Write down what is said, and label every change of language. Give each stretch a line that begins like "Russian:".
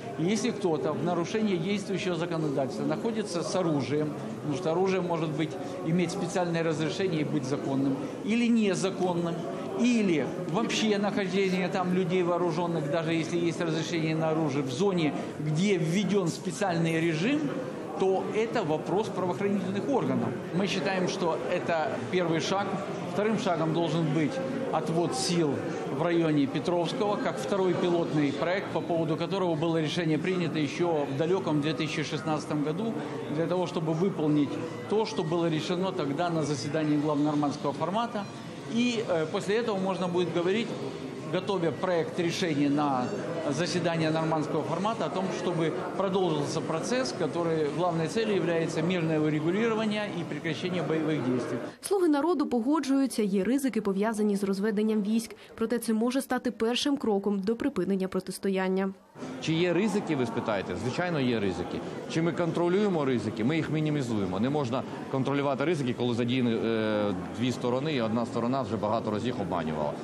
Ukrainian: Якщо хтось в нарушенні діючого законодавства знаходиться з оружием, тому що оружие може бути, мати спеціальне розрішення і бути законним, або незаконним,
Russian: или вообще нахождение там людей вооруженных, даже если есть разрешение на оружие, в зоне, где введен специальный режим, то это вопрос правоохранительных органов. Мы считаем, что это первый шаг. Вторым шагом должен быть отвод сил в районе Петровского, как второй пилотный проект, по поводу которого было решение принято еще в далеком 2016 году, для того, чтобы выполнить то, что было решено тогда на заседании главнормандского формата. И после этого можно будет говорить, готовя проект решения на заседание нормандского формата, о том, чтобы продолжился процесс, который главной целью является мирное урегулирование и прекращение боевых действий.
Ukrainian: Слуги народу погоджуються, є ризики, пов'язані з розведенням військ. Проте це може стати першим кроком до припинення протистояння. Чи є ризики, ви спитаєте? Звичайно, є ризики. Чи ми контролюємо ризики? Ми їх мінімізуємо. Не можна контролювати ризики, коли задіяні дві сторони, і одна сторона вже багато разів їх обманювала.